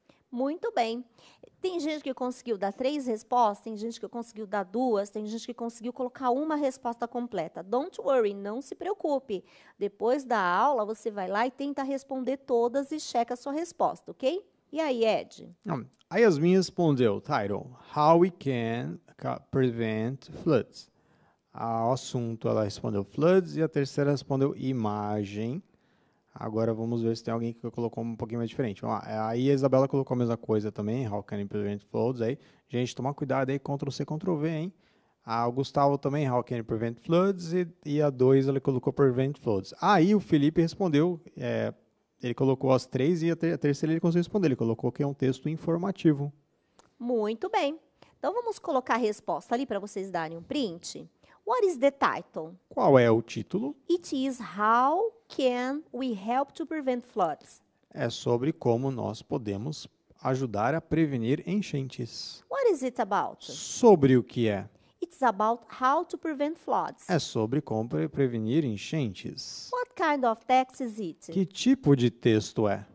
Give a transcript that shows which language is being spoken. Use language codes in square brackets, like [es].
[pt] Muito bem. Tem gente que conseguiu dar três respostas, tem gente que conseguiu dar duas, tem gente que conseguiu colocar uma resposta completa. [en] Don't worry, [pt] não se preocupe. Depois da aula, você vai lá e tenta responder todas e checa a sua resposta, ok? E aí, Ed? A Yasmin respondeu, title, [en] how we can prevent floods. [pt] O assunto, ela respondeu floods e a terceira respondeu imagem. Agora vamos ver se tem alguém que colocou um pouquinho mais diferente. Vamos lá. Aí a Isabela colocou a mesma coisa também, [en] how can we prevent floods [pt] aí. Gente, toma cuidado aí, Ctrl C, Ctrl V, hein? Ah, o Gustavo também, [en] how can we prevent floods? [pt] E a 2 ele colocou prevent floods. Aí o Felipe respondeu, ele colocou as três e a terceira ele conseguiu responder. Ele colocou que é um texto informativo. Muito bem. Então vamos colocar a resposta ali para vocês darem um print. [en] What is the title? [pt] Qual é o título? [en] It is how can we help to prevent floods. [pt] É sobre como nós podemos ajudar a prevenir enchentes. [en] What is it about? [pt] Sobre o que é? [en] It's about how to prevent floods. [pt] É sobre como prevenir enchentes. [en] What kind of text is it? [pt] Que tipo de texto é?